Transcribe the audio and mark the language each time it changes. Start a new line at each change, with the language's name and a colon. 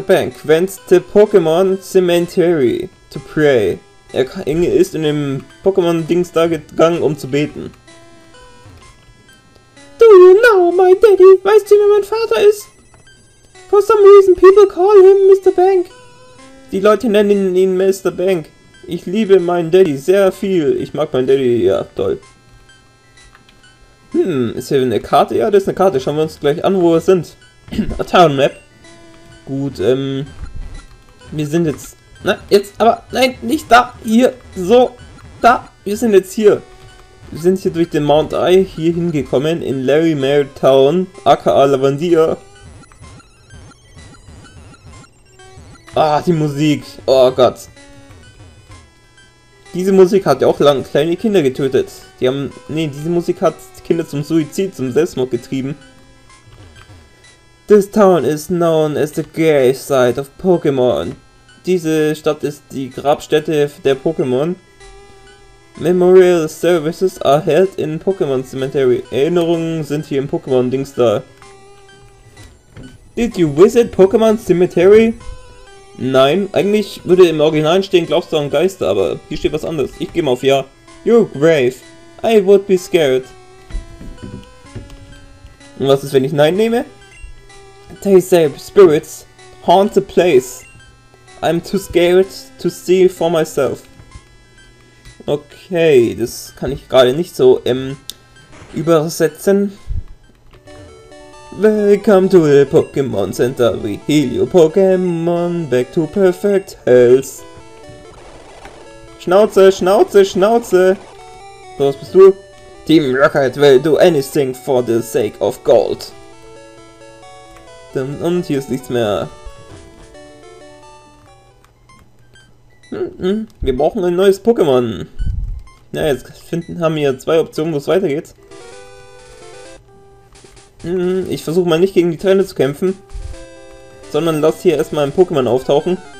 English: Bank went to Pokémon Cemetery to pray.
German: Er ist in dem Pokémon-Dings da gegangen, um zu beten.
English: Do you know my daddy?
German: Weißt du, wer mein Vater ist?
English: For some reason people call him Mr. Bank.
German: Die Leute nennen ihn Mr. Bank. Ich liebe meinen Daddy sehr viel. Ich mag meinen Daddy, ja, toll. Hm, ist hier eine Karte? Ja, das ist eine Karte. Schauen wir uns gleich an, wo wir sind. A Town Map. Gut, wir sind jetzt... Na, jetzt, aber, nein, nicht da, hier, so, da, wir sind jetzt hier. Wir sind hier durch den Mount Eye hier hingekommen, in Larry Mare Town, aka Lavandia. Ah, die Musik, oh Gott. Diese Musik hat ja auch lange kleine Kinder getötet. Die haben, nee, diese Musik hat Kinder zum Suizid, zum Selbstmord getrieben.
English: This town is known as the grave site of Pokémon.
German: Diese Stadt ist die Grabstätte der Pokémon.
English: Memorial services are held in Pokémon Cemetery.
German: Erinnerungen sind hier im Pokémon-Dings da.
English: Did you visit Pokémon Cemetery?
German: Nein, eigentlich würde im Original stehen, glaubst du an Geister, aber hier steht was anderes. Ich gehe mal auf ja.
English: You're brave. I would be scared.
German: Und was ist, wenn ich nein nehme?
English: They say spirits haunt the place. I'm too scared to see for myself.
German: Okay, das kann ich gerade nicht so übersetzen.
English: Welcome to the Pokémon Center. We heal your Pokémon back to perfect health.
German: Schnauze, Schnauze, Schnauze. Was bist du?
English: Team Rocket will do anything for the sake of gold.
German: Und hier ist nichts mehr. Wir brauchen ein neues Pokémon. Na, ja, jetzt haben wir zwei Optionen, wo es weitergeht. Ich versuche mal nicht gegen die Trainer zu kämpfen. sondern lass hier erstmal ein Pokémon auftauchen.